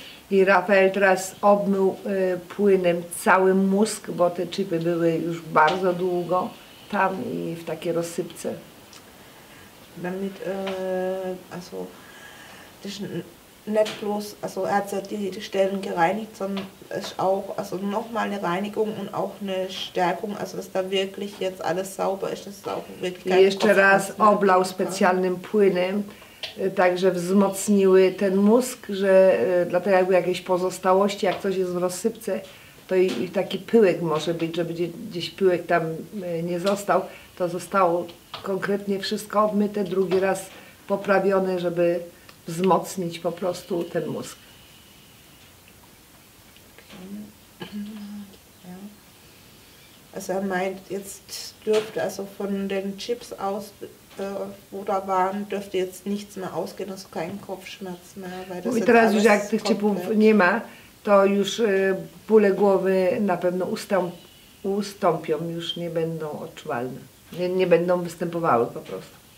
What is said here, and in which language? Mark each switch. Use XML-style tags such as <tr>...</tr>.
<pl>I Rafael teraz obmył płynem cały mózg, bo te chipy były już bardzo długo tam i w takiej rozsypce.</pl> <de>Damit, also das ist nicht bloß, also er hat die Stellen gereinigt, sondern es ist auch also nochmal eine Reinigung und auch eine Stärkung, also dass da wirklich jetzt alles sauber ist, das ist auch wirklich</de> <pl>kein jeszcze raz oblał specjalnym płynem, także wzmocniły ten mózg, że dlatego jakby jakieś pozostałości, jak coś jest w rozsypce, to i taki pyłek może być, żeby gdzieś pyłek tam nie został, to zostało konkretnie wszystko obmyte, drugi raz poprawione, żeby wzmocnić po prostu ten mózg.</pl> <de>Also er meint, jetzt dürfte also von den Chips aus, wo da waren, dürfte jetzt nichts mehr ausgehen, also kein Kopfschmerz mehr.</de> <pl>Mówi teraz już, jak tych chipów nie ma, to już bóle głowy na pewno ustąpią, już nie będą odczuwalne, nie będą występowały po prostu.</pl>